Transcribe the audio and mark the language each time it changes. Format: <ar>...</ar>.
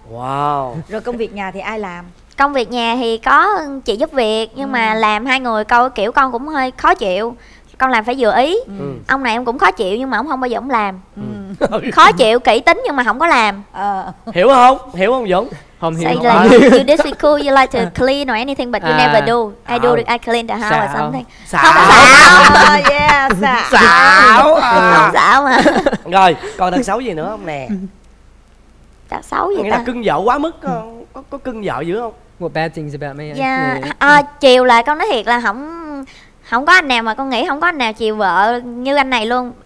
<vi>Wow. Rồi công việc nhà thì ai làm? Công việc nhà thì có chị giúp việc nhưng mà làm hai người coi kiểu con cũng hơi khó chịu. Con làm phải vừa ý. Ông này em cũng khó chịu nhưng mà ông không bao giờ ông làm. Khó chịu, kỹ tính nhưng mà không có làm. Hiểu không? Hiểu không Dũng? Không hiểu.</vi> <en>Say like, you disrespectful, you like to clean or anything but you never do. I do, I clean the house or something.</en> <vi>Xạo mà. Rồi, còn tật xấu gì nữa không nè? Tật xấu gì ta? Nghĩa là cưng vợ quá mức, có cưng vợ dữ không?</vi> <en>What bad things about me? Yeah.</en> <vi>Chiều là con nói thiệt là không có anh nào mà con nghĩ không có anh nào chiều vợ như anh này luôn.</vi>